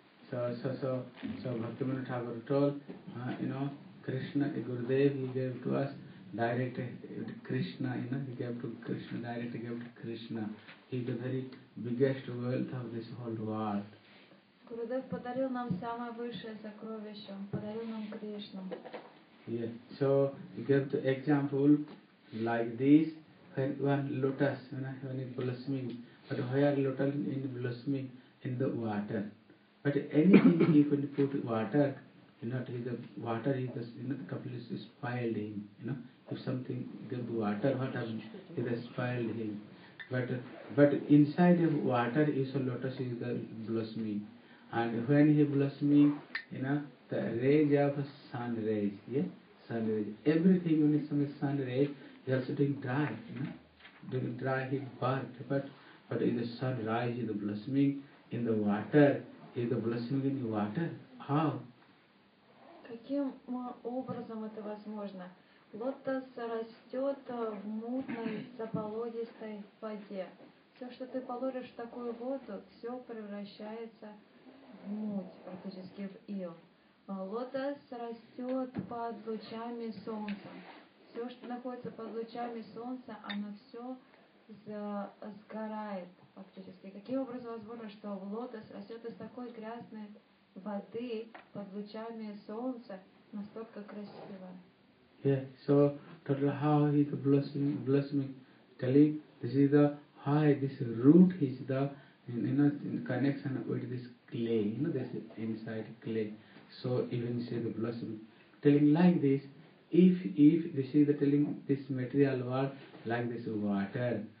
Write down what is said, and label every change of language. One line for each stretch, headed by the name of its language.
English: So, Bhaktivinoda Thakur told, you know, Krishna, Gurudev, he gave to us direct Krishna, you know, he gave to Krishna, direct gave to Krishna. He is the very biggest wealth of this whole world.
Russian: Gurudev подарил нам самое высшее сокровище, подарил нам Кришну.
English: Yes, so, he gave the example like this, when one lotus, you know, when it blossoming, but why are lotus in blossoming? In the water. But anything he can put water, you know, the water is the, you know, completely spoiled him. You know, if something give water, what happens? It has spoiled him. But inside of water is a lotus, is the blossoming. And when he blossoming, you know, the rays of sun rays, yeah? Sun rays. Everything when it's some sun rays, he also doing dry, you know. During dry, he burnt. But in the sun rise, the blossoming. In the water, is the blossoming in the water? How?
Russian: Каким образом это возможно? Лотос растет в мутной заболотистой воде. Все, что ты положишь в такую воду, все превращается в муть, практически в ил. Лотос растет под лучами солнца. Все, что находится под лучами солнца, оно все сгорает. Фактически. Каким образом возможно, что лотос растет из такой грязной воды под лучами солнца настолько красиво?
English: Yeah, so total how he the blossoming telling this is the high this root is the you know in connection with this clay, you know, this inside clay. So even say the blossoming telling like this, if this is the telling this material world like this water.